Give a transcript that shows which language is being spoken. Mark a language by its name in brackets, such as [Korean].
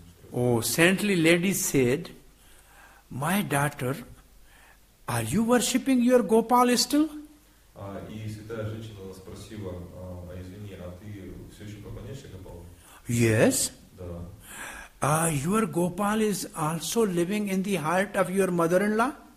[English] Oh, saintly lady said, my daughter, are you worshipping your Gopal still? [Russian] И святая женщина спросила, извини, а ты все еще поклоняешься Гопалу? [English] Yes. [Russian] Да. [English] Your Gopal is also living in the heart of your mother-in-law?